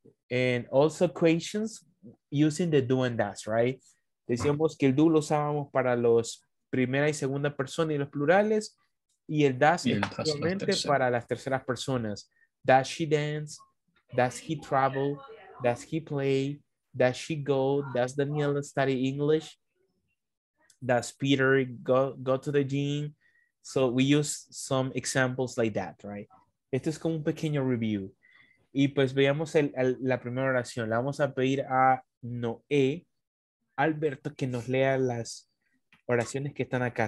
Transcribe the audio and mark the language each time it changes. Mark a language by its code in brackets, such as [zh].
[en] And also questions using the do and does, right? [es] Decíamos que el do lo usábamos para los primera y segunda persona y los plurales, y el does solamente para las terceras personas. [en] Does she dance? Does he travel? Does he play? Does she go? Does Daniel study English? Does Peter go to the gym? So we use some examples like that, right? [es] Esto es como un pequeño review. Y pues veamos la primera oración. La vamos a pedir a Noé Alberto que nos lea las oraciones que están acá.